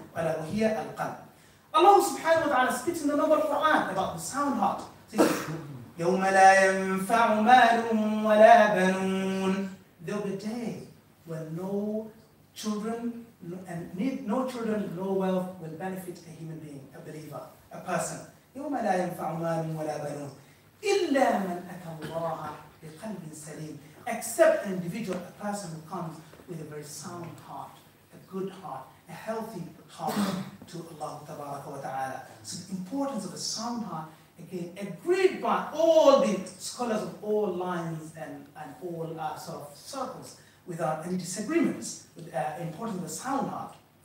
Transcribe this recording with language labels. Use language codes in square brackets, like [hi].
[ar] Ala wa hiya al-qalb. [en] Allah subhanahu wa ta'ala speaks in the noble Quran about the sound heart. [ar] يَوْمَ لَا يَنْفَعُ مَالٌ وَلَا بَنُونَ. [en] There'll be a day when no children, no wealth will benefit a human being, a believer. A person. [ar] يوم لا ينفع مال ولا بنون إلا من أتى الله بقلب سليم. [en] Except an individual, a person who comes with a very sound heart, a good heart, a healthy heart to Allah [ar] تبارك وتعالى. [en] So the importance of a sound heart, again, agreed by all the scholars of all lines and all sort of circles, without any disagreements, with the importance of a sound heart.